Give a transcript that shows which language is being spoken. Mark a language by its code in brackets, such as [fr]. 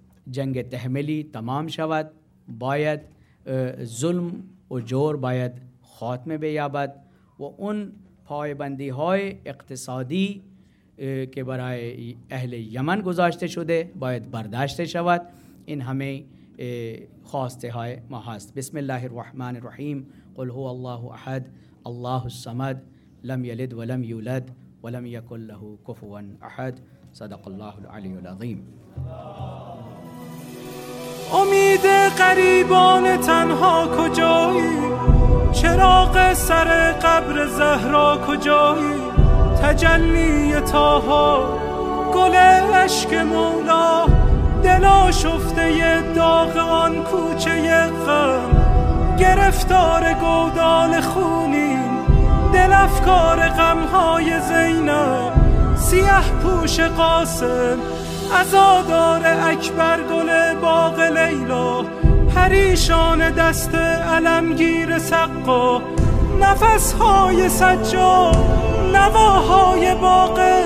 [fa] جنگ تحملی تمام شود، باید ظلم و جور باید خاتمه بیابد و اون پایبندی های اقتصادی که برای اهل یمن گذاشته شده باید برداشته شود. این همه خواسته های ما هست. [ar] بسم الله الرحمن الرحیم. قل هو الله احد، الله الصمد، لم یلد ولم یولد ولم یکن له کفوا احد. صدق الله العلی العظیم. [fa] امید غریبان تنها کجایی؟ چراغ سر قبر زهرا کجایی؟ تجلی طه، گل عشق مولا، دل آشفته داغ آن کوچه غم، گرفتار گودال خونی، دل افکار غمهای زینب، سیاه پوش قاسم، عزادار اکبر، گل باغ لیلا، پریشان دست علمگیر سقا، نفسهای سجا، نواهای باغ،